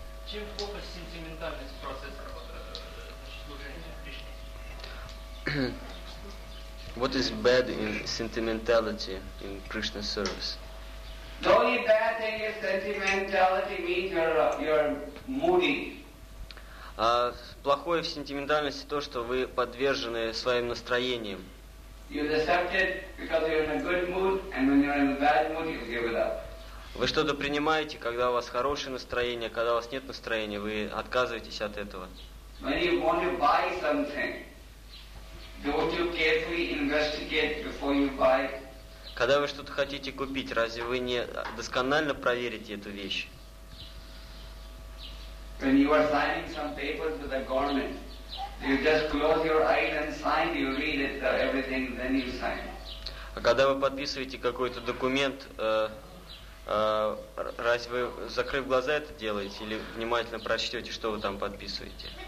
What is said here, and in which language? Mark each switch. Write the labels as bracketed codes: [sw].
[ru] Чем плохо сентиментальность процесса служения? [en] What is bad in sentimentality in Krishna service? The only bad thing is sentimentality means you're moody. [ru] Плохое в сентиментальности то, что вы подвержены своим настроениям. [en] You're deceived because you're in a good mood, and when you're in a bad mood, you give it up. [ru] Вы что-то принимаете, когда у вас хорошее настроение, когда у вас нет настроения, вы отказываетесь от этого. [en] When you want to buy something, don't you carefully investigate before you buy? [ru] Когда вы что-то хотите купить, разве вы не досконально проверите эту вещь? [en] When you are signing some papers with the government, you just close your eyes and sign, you read it, everything, then you sign. [ru] А когда вы подписываете какой-то документ, разве вы, закрыв глаза, это делаете или внимательно прочтете, что вы там подписываете?